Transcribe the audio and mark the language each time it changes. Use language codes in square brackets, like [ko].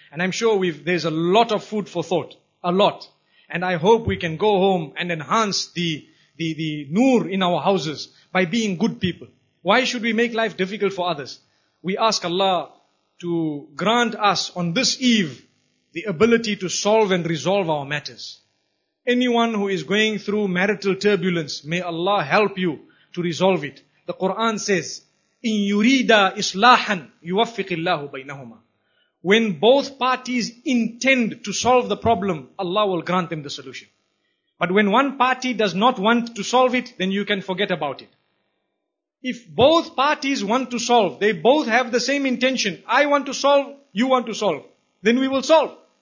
[en] And I'm sure there's a lot of food for thought. A lot. And I hope we can go home and enhance the noor in our houses by being good people. Why should we make life difficult for others? We ask Allah to grant us on this eve the ability to solve and resolve our matters. Anyone who is going through marital turbulence, may Allah help you to resolve it. The Quran says, [ar] إِن يُرِيدَ إِصْلَاحًا يُوَفِّقِ اللَّهُ بَيْنَهُمَا. [en] When both parties intend to solve the problem, Allah will grant them the solution. But when one party does not want to solve it, then you can forget about it. If both parties want to solve, they both have the same intention. I want to solve, you want to solve. Then we will solve.